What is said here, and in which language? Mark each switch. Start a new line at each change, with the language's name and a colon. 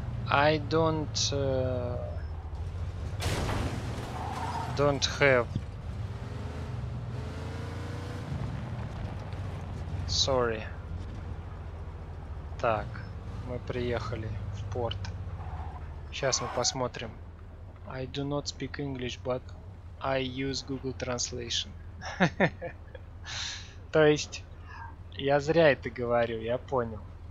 English: I don't have. Sorry.
Russian: Так, мы приехали в порт. Сейчас мы посмотрим.
English: I do not speak English, but I use Google Translation.
Russian: То есть, я зря это говорю, я понял.